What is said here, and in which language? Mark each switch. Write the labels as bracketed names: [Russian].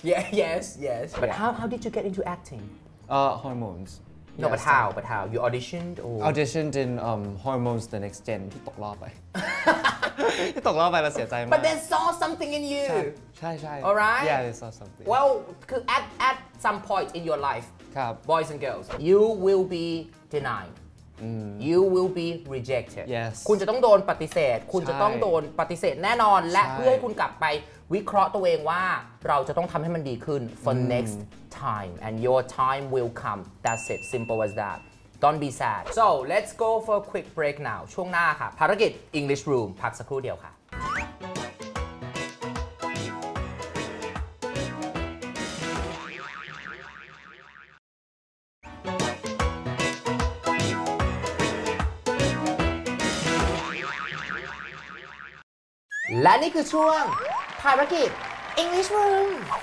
[English] yeah yes but how did you get into acting hormones No, yes, but how? You auditioned or? Auditioned in [Thai] Hormones The Next Gen ที่ตกรอบไปที่ตกรอบไปแล้วเสียใจมาก [English] But they saw something in you [Thai] ใช่ [English] Alright Yeah, they saw something Well, at some point in your life [Thai] ครับ [English] Boys and girls You will be denied You will be rejected Yes [Thai] คุณจะต้องโดนปฏิเสธคุณจะต้องโดนปฏิเสธแน่นอนและเพื่อให้คุณกลับไป วิเคราะห์ตัวเองว่าเราจะต้องทำให้มันดีขึ้น [English] for next time and your time will come that's it simple as that don't be sad so let's go for a quick break now [Thai] ช่วงหน้าค่ะภารกิจ [English] English Room [Thai] พักสักครู่เดียวค่ะและนี่คือช่วงภารกิจ [English] English Room.